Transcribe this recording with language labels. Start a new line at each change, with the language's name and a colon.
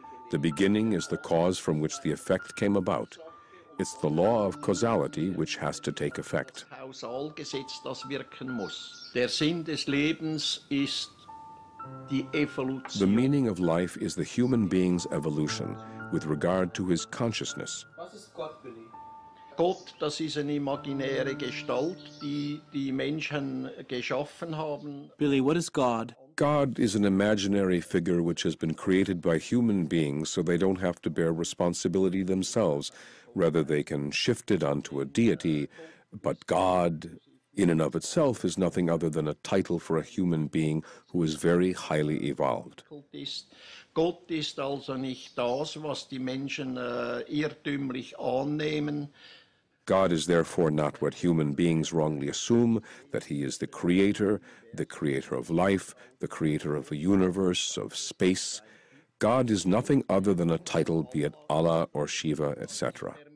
English: The beginning is the cause from which the effect came about. It's the law of causality which has to take effect.
German: Kausalgesetz, das wirken muss. Der Sinn des Lebens ist die Evolution.
English: The meaning of life is the human being's evolution with regard to his consciousness.
German: Gott, das ist eine imaginäre Gestalt, die die Menschen geschaffen haben.
English: Billy, what is God? God is an imaginary figure which has been created by human beings so they don't have to bear responsibility themselves. Rather, they can shift it onto a deity. But God, in and of itself, is nothing other than a title for a human being who is very highly evolved.
German: Gott ist also nicht das, was die Menschen irrtümlich annehmen.
English: God is therefore not what human beings wrongly assume, that he is the creator of life, the creator of a universe, of space. God is nothing other than a title, be it Allah or Shiva, etc.